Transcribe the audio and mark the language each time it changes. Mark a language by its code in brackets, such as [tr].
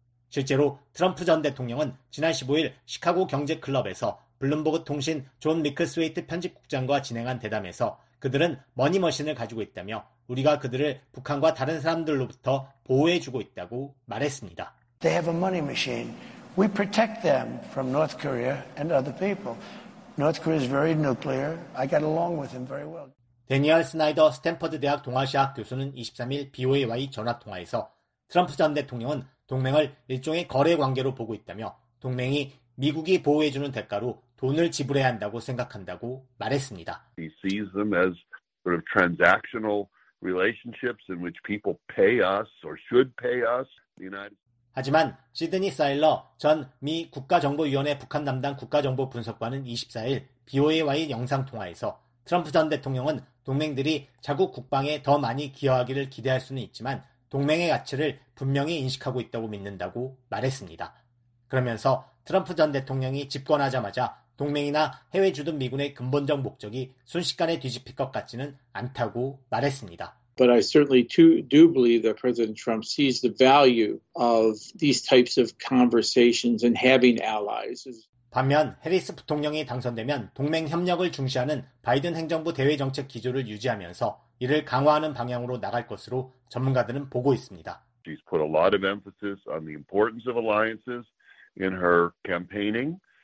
[ko] 실제로 트럼프 전 대통령은 지난 15일 시카고 경제클럽에서 블룸버그 통신 존 미클스웨이트 편집국장과 진행한 대담에서 그들은 머니머신을 가지고 있다며 우리가 그들을 북한과 다른 사람들로부터 보호해주고 있다고 말했습니다. [en] They have a money machine. We protect them from North Korea and other people. North Korea is very nuclear. I got along with him very well. [ko] 대니얼 스나이더 스탠퍼드 대학 동아시아학 교수는 23일 BOA와의 전화통화에서 트럼프 전 대통령은 동맹을 일종의 거래관계로 보고 있다며 동맹이 미국이 보호해주는 대가로 돈을 지불해야 한다고 생각한다고 말했습니다. [en] He sees them as sort of transactional relationships in which people pay us or should pay us. [ko] 하지만 시드니 사일러 전 미 국가정보위원회 북한 담당 국가정보분석관은 24일 BOA와의 영상통화에서 트럼프 전 대통령은 동맹들이 자국 국방에 더 많이 기여하기를 기대할 수는 있지만 동맹의 가치를 분명히 인식하고 있다고 믿는다고 말했습니다. 그러면서 트럼프 전 대통령이 집권하자마자 동맹이나 해외 주둔 미군의 근본적 목적이 순식간에 뒤집힐 것 같지는 않다고 말했습니다. [en] But I certainly do believe that President Trump sees the value of these types of conversations and having allies. [ko] 반면 해리스 부통령이 당선되면 동맹 협력을 중시하는 바이든 행정부 대외 정책 기조를 유지하면서 이를 강화하는 방향으로 나갈 것으로 전문가들은 보고 있습니다. [en] She's put a lot of emphasis on the importance of alliances in her campaigning.